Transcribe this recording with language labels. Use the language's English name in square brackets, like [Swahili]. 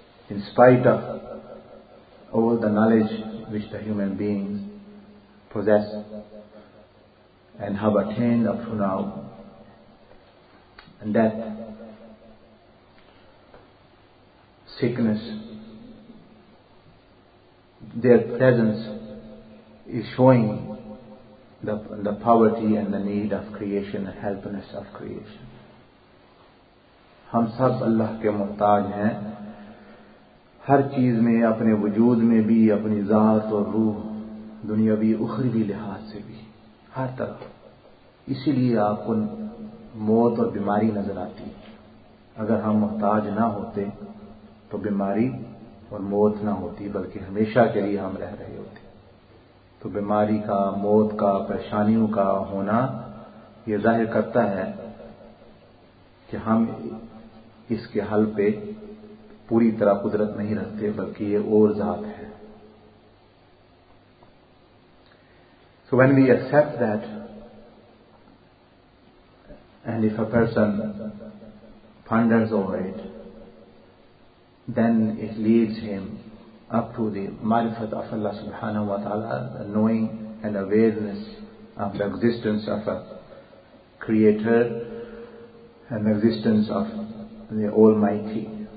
[English] In spite of all the knowledge which the human beings possess and have attained up to now, and death, sickness, their presence is showing the poverty and the need of creation and helplessness of creation. [Urdu] Hum sab Allah ke muhtaj hain. ہر چیز میں اپنے وجود میں بھی اپنی ذات اور روح دنیاوی اخروی لحاظ سے بھی ہر طرح اسی لیے آپ کو موت اور بیماری نظر آتی ہے اگر ہم محتاج نہ ہوتے تو بیماری اور موت نہ ہوتی بلکہ ہمیشہ کے لیے ہم رہ رہے ہوتے تو بیماری کا موت کا پریشانیوں کا ہونا یہ ظاہر کرتا ہے کہ ہم اس کے حل پہ پوری طرح قدرت نہیں رکھتے بلکہ یہ اور ذات ہے. [English] So when we accept that, and if a person ponders over it, then it leads him up to the marifat of Allah subhanahu wa ta'ala, the knowing and awareness of the existence of a creator and the existence of the Almighty.